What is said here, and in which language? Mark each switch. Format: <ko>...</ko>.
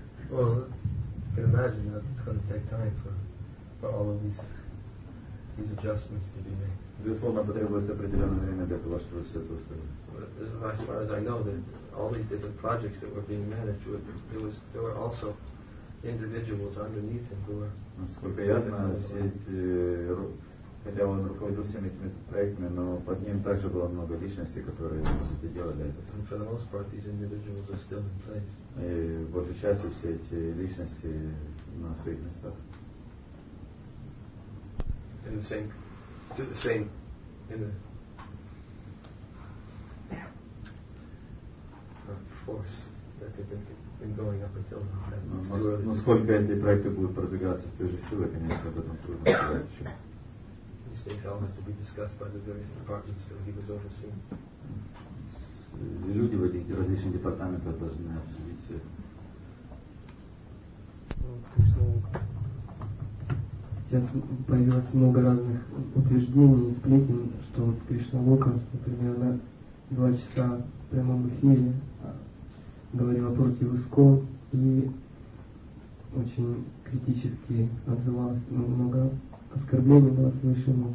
<en>Well, you can imagine that it's going to take time for all of these adjustments to be made.</en> <ru>Безусловно, потребуется определенное время для того, чтобы все это устроить.</ru> <en>As far as I know, that all these different projects that were being managed, there were also individuals underneath him who were.</en> <ru>Насколько я знаю, все эти, хотя он руководил всеми этими проектами, но под ним также было много личностей, которые это делали.</ru> <en>And for the most part, these individuals are still in place.</en> <ru>И большей частью все эти личности на своих местах.</ru> <en>In the same, to the same, in the force that they've been going up until now.</en> <ru>Но сколько эти проекты будут продвигаться с той же силой, конечно, об этом трудно сказать еще.</ru> <en>These things all have to be discussed by the various departments that he was overseeing.</en> <ru>Люди в этих различных департаментах должны обсудить все. Сейчас появилось много разных утверждений и сплетен, что вот Кришналока, например, на 2 часа в прямом эфире говорила против ИСКО и очень критически отзывалась, но много оскорблений было слышно.</ru>